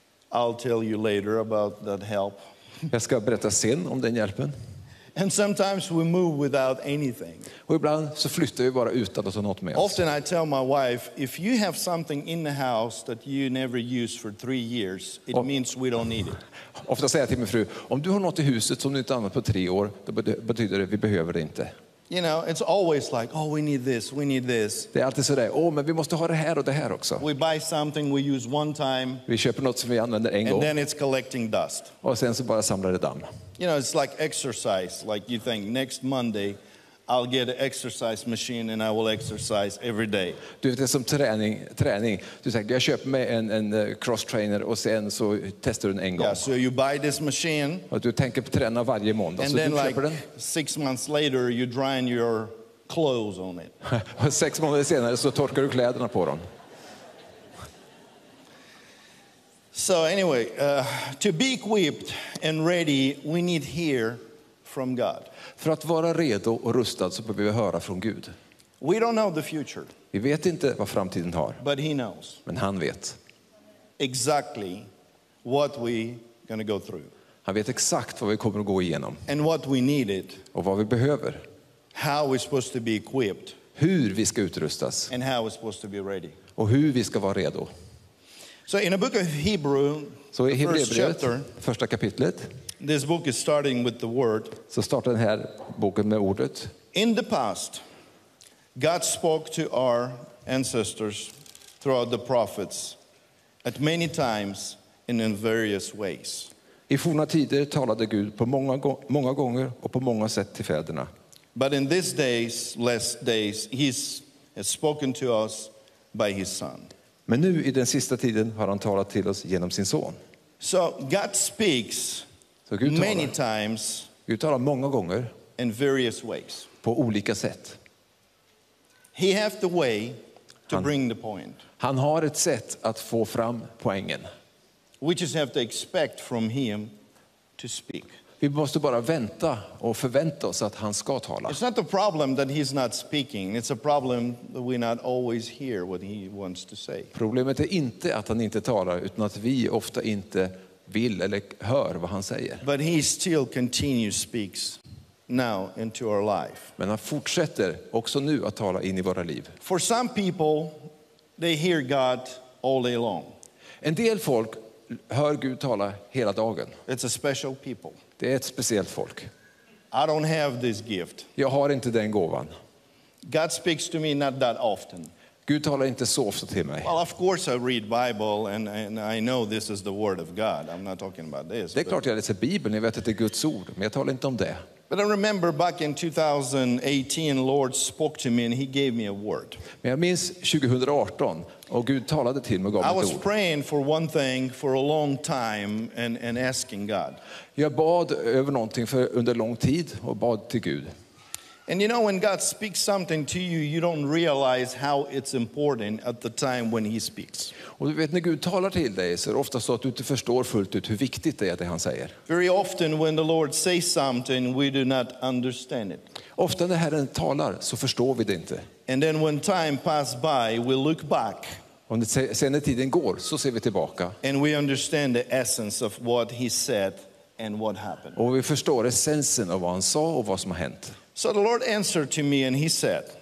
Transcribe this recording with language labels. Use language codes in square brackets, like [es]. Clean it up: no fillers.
[en] I'll tell you later about that help. [sv] Jag ska berätta sen om den hjälpen. [en] And sometimes we move without anything. [sv] Och ibland så flyttar vi bara utan att ha något med oss. [en] Often I tell my wife, if you have something in the house that you never use for 3 years, it means we don't need it. [sv] Ofta säger jag till min fru, om du har något i huset som du inte använt på 3 år, då betyder det att vi behöver det inte. [en] You know, it's always like, oh, we need this, we need this. [sv] Det är alltid så där, men vi måste ha det här och det här också. [en] We buy something we use one time. [sv] Vi köper något som vi använder en gång. [en] And then it's collecting dust. [sv] Och sen så bara samlar det damm. [en] You know, it's like exercise. Like you think, next Monday, I'll get an exercise machine and I will exercise every day. [sv] Du vet, det är som träning. Du säger, jag köper mig en cross trainer och sen så testar du den en gång. [en] Yeah, so you buy this machine. [sv] Och du tänker på träna varje måndag. [en] And [sv] så [en] then [sv] du köper [en] like [sv] den. [en] 6 months later, you dry your clothes on it. [sv] Och 6 månader senare så torkar du kläderna på dem. [en] So anyway, to be equipped and ready, we need hear from God. [sv] För att vara redo och rustad så behöver vi höra från Gud. [en] We don't know the future. [sv] Vi vet inte vad framtiden har. [en] But he knows. [sv] Men han vet. [en] Exactly what we going to go through. [sv] Han vet exakt vad vi kommer att gå igenom. [en] And what we needed. [sv] Och vad vi behöver. [en] How we're supposed to be equipped. [sv] Hur vi ska utrustas. [en] And how we're supposed to be ready. [sv] Och hur vi ska vara redo. [en] So in a book of Hebrew, so the first chapter, [sv] första kapitlet, [en] this book is starting with the word. [sv] Så startar den här boken med ordet. [en] In the past, God spoke to our ancestors throughout the prophets at many times and in various ways. [sv] I forna tider talade Gud på många gånger och på många sätt till fäderna. [en] But in these days, last days, he has spoken to us by his son. [sv] Men nu i den sista tiden har han talat till oss genom sin son. [en] So God speaks many times. [sv] Gud talar många gånger. [en] In various ways. [sv] På olika sätt. [en] He has the way to bring the point. [sv] Han har ett sätt att få fram poängen. [en] We just have to expect from him to speak. [sv] Vi måste bara vänta och förvänta oss att han ska tala. [en] It's not a problem that he's not speaking. It's a problem that we not always hear what he wants to say. [sv] Problemet är inte att han inte talar, utan att vi ofta inte vill eller hör vad han säger. [en] But he still continues speaks now into our life. [sv] Men han fortsätter också nu att tala in i våra liv. [en] For some people, they hear God all day long. [sv] En del folk hör Gud tala hela dagen. [en] It's a special people. [sv] Det är ett speciellt folk. [en] I don't have this gift. [sv] Jag har inte den gåvan. [en] God speaks to me not that often. [sv] Gud talar inte så ofta till mig. [en] Well, of course I read Bible and I know this is the word of God. I'm not talking about this. [sv] Det är klart jag läser Bibeln, jag vet att det är Guds ord, men jag talar inte om det. [en] But I remember back in 2018, Lord spoke to me and he gave me a word. [sv] Men jag minns 2018 och Gud talade till mig och gav mig ett ord. [en] I was praying for one thing for a long time and asking God. [sv] Jag bad över någonting för under lång tid och bad till Gud. [en] And you know, when God speaks something to you, you don't realize how it's important at the time when he speaks. [sv] Och du vet, när Gud talar till dig så är det ofta så att du inte förstår fullt ut hur viktigt det är det han säger. [en] Very often when the Lord says something, we do not understand it. [sv] Ofta när Herren talar så förstår vi det inte. [en] And then when time passes by, we look back. [sv] Och sen när tiden går så ser vi tillbaka. [en] And we understand the essence of what he said and what happened. [sv] Och vi förstår essensen av vad han sa och vad som har hänt. [en] So the Lord answered to me and he said,